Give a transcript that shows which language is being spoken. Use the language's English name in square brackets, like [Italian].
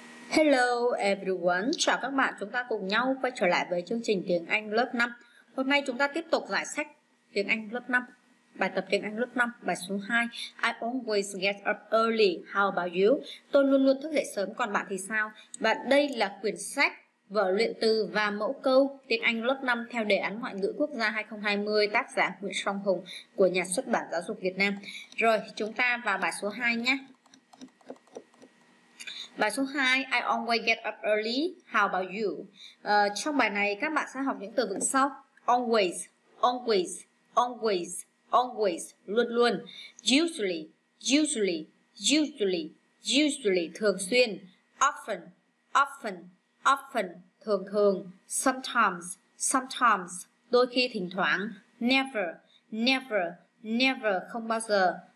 [English] Hello everyone, [Vietnamese] chào các bạn, chúng ta cùng nhau quay trở lại với chương trình tiếng Anh lớp 5. Hôm nay chúng ta tiếp tục giải sách tiếng Anh lớp 5, bài tập tiếng Anh lớp 5, bài số 2. [English] I always get up early, how about you? [Vietnamese] Tôi luôn luôn thức dậy sớm, còn bạn thì sao? Và đây là quyển sách vở luyện từ và mẫu câu tiếng Anh lớp 5 theo đề án ngoại ngữ quốc gia 2020, tác giả Nguyễn Song Hùng của nhà xuất bản Giáo dục Việt Nam. Rồi, chúng ta vào bài số 2 nhé. Bài số 2, [English] I always get up early, how about you? [Vietnamese] Trong bài này các bạn sẽ học những từ vựng sau: always, always, always, always, luôn luôn, usually, usually, usually, usually, thường xuyên, often, often, often, thường thường, sometimes, sometimes, đôi khi, thỉnh thoảng, never, never, never, không bao giờ.